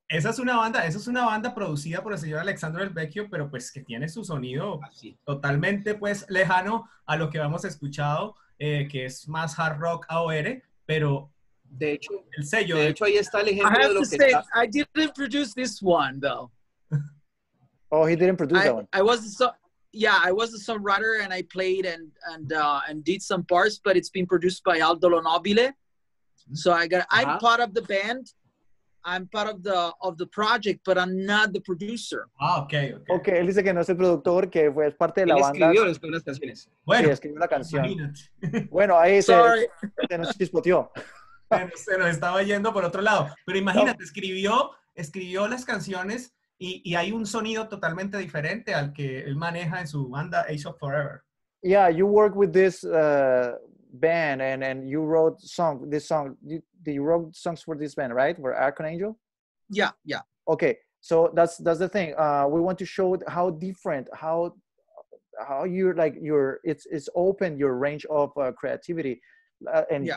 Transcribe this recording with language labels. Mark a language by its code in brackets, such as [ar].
[es] Esa es una banda producida por el señor Alessandro del Vecchio, pero pues que tiene su sonido así, totalmente pues lejano a lo que hemos escuchado, que es más hard rock AOR, pero de hecho el sello, de hecho ahí está el ejemplo de lo que [en] I have to say, I didn't produce this one though. Oh, he didn't produce that one. I was a songwriter and I played and did some parts, but it's been produced by Aldo Lonobile. So I'm part of the band, I'm part of the project, but I'm not the producer. Ah, okay. [es] Él dice que no es el productor, que fue parte de la banda. Él escribió las canciones. Bueno, sí, escribió la canción. Bueno, ahí se nos disputió. Se nos estaba yendo por otro lado. Pero imagínate, escribió las canciones y hay un sonido totalmente diferente al que él maneja en su banda Ace of Forever. [en] Yeah, you work with this band and you wrote song, this song. You wrote songs for this band, right? For Archangel? Yeah, yeah. Okay, so that's the thing. We want to show how different, how you're like, it's open your range of creativity and yeah.